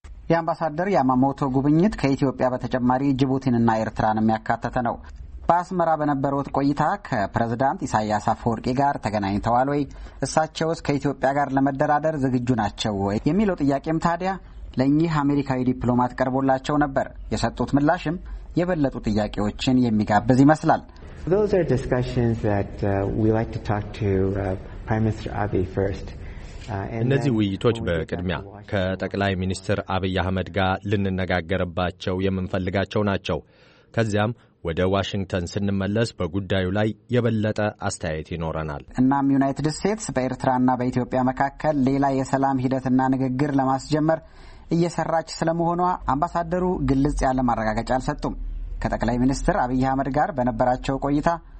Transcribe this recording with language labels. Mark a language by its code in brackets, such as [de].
[am] የአምባሳደር ያማሞቶ ጉብኝት ከኢትዮጵያ በተጨማሪ ጅቡቲንና ኤርትራንም ያካተተ ነው። በአስመራ በነበሩት ቆይታ ከፕሬዝዳንት ኢሳያስ አፈወርቂ ጋር ተገናኝተዋል ወይ? እሳቸውስ ከኢትዮጵያ ጋር ለመደራደር ዝግጁ ናቸው ወይ የሚለው ጥያቄም ታዲያ ለእኚህ አሜሪካዊ ዲፕሎማት ቀርቦላቸው ነበር። የሰጡት ምላሽም የበለጡ ጥያቄዎችን የሚጋብዝ ይመስላል። [en] Those are discussions that we like to talk to Prime Minister Abe first. [am] እነዚህ ውይይቶች በቅድሚያ ከጠቅላይ ሚኒስትር አብይ አህመድ ጋር ልንነጋገርባቸው የምንፈልጋቸው ናቸው። ከዚያም ወደ ዋሽንግተን ስንመለስ በጉዳዩ ላይ የበለጠ አስተያየት ይኖረናል። እናም ዩናይትድ ስቴትስ በኤርትራና በኢትዮጵያ መካከል ሌላ የሰላም ሂደትና ንግግር ለማስጀመር እየሰራች ስለመሆኗ አምባሳደሩ ግልጽ ያለ ማረጋጋጫ አልሰጡም። ከጠቅላይ ሚኒስትር አብይ አህመድ ጋር በነበራቸው ቆይታ